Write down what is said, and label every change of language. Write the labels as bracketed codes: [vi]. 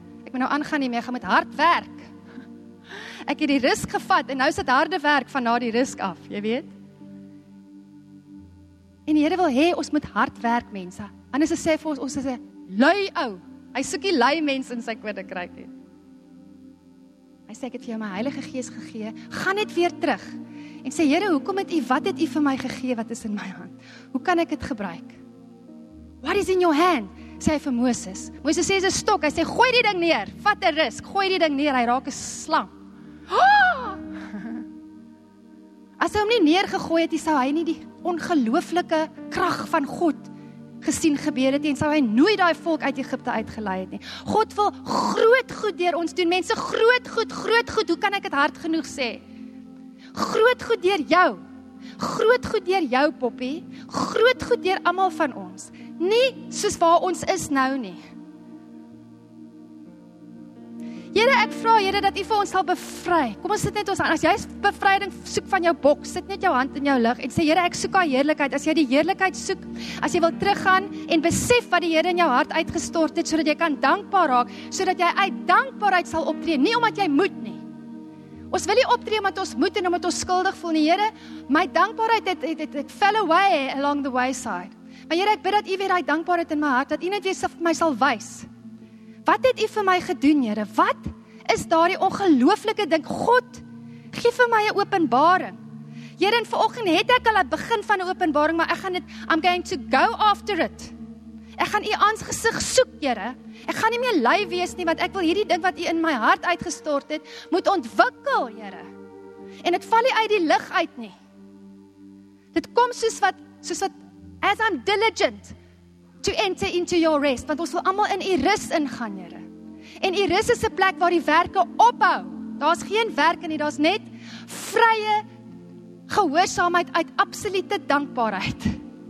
[af] Ek moet nou aangaan nie meer, gaan met hard werk. Ek het die risk gevat en nou is dit harde werk van na die risk af, jy weet. En die Here wil hê ons moet hard werk, mense. Anders sê hy vir ons is 'n lui ou. Hy soek die lui mense in sy koninkryk. Hy sê, ek het vir jou my Heilige Gees gegee, gaan net weer terug. En sê, Here, hoekom het u, wat het u vir my gegee, wat is in my hand? Hoe kan ek dit gebruik? [en] What is in your hand? [af] Sê hy vir Moses. Moses sê, dis 'n stok. Hy sê, gooi die ding neer, vat 'n risk, gooi die ding neer, hy raak 'n slang. As hy hom nie neergegooi het, sou hy nie die ongelooflike krag van God gesien gebeur het nie, en sal hy nooit daai volk uit Egypte uitgelei het nie. God wil groot goed deur ons doen, mense, groot goed, hoe kan ek dit hard genoeg sê? Groot goed deur jou, Poppie, groot goed deur almal van ons, nie soos waar ons is nou nie. Here, ek vra, Here, dat U vir ons sal bevry. Kom, ons sit net ons hand. As jy bevryding soek van jou boks, sit net jou hand in jou lig en sê, Here, ek soek al heerlikheid. As jy die heerlikheid soek, as jy wil teruggaan en besef wat die Here in jou hart uitgestort het, sodat jy kan dankbaar raak, sodat jy uit dankbaarheid sal optree, nie omdat jy moet nie. Ons wil nie optree omdat ons moet en omdat ons skuldig voel nie, Here. My dankbaarheid het [en] fell away along the wayside. [af] Maar Here, ek bid dat U weer daai dankbaarheid in my hart, dat U net weer vir my sal wys. Wat het U vir my gedoen, Here? Wat is daardie ongelooflike ding? God, gee vir my 'n openbaring. Here, en vanoggend het ek al 'n begin van 'n openbaring, maar [en] I'm going to go after it. [af] Ek gaan U aangesig soek, Here. Ek gaan nie meer lui wees nie, want ek wil hierdie ding wat U in my hart uitgestort het, moet ontwikkel, Here. En dit val nie uit die lig uit nie. Dit kom soos wat as [en] I'm diligent to enter into your rest, [af] want ons wil allemaal in die rus ingaan, Here. En die rus is 'n plek waar die werke ophou. Daar is geen werke nie, daar is net vrye gehoorsaamheid uit absolute dankbaarheid.